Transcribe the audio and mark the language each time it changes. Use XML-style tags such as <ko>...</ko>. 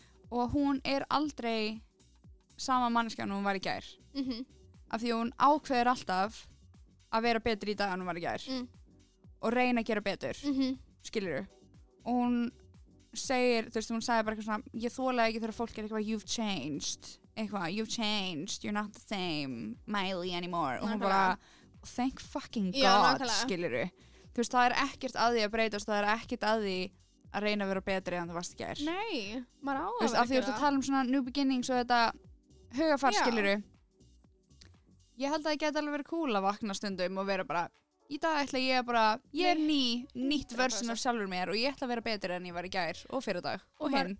<is>Og hún aldrei sama manneskja en hún var í gær. Af því hún ákveður alltaf að vera betur í dag en hún var í gær. Og reyna að gera betur. Skilurðu. Og hún segir, þú veist, hún sagði bara eitthvað svona, ég þolaði ekki þegar fólk er eitthvað,</is> <en>you've changed.</en> <is>Eitthvað,</is> <en>you've changed, you're not the same, Miley anymore.</en> <is>Og hún bara,</is> <en>thank fucking God,</en> <is>skilurðu. Þú veist, það ekkert að því að breytast, það ekkert að því að reyna að vera betri en þú varst í gær. Nei, maður á að vera að því að tala svona</is> <en>new beginning</en> <is>svo þetta hugafar skiluru. Ég held að það geti alveg verið cool að vakna stundum og vera bara í dag ætla ég bara, ég er nýtt version af sjálfur mér og ég ætla að vera betri en ég var í gær og fyrir dag og hinn.</is>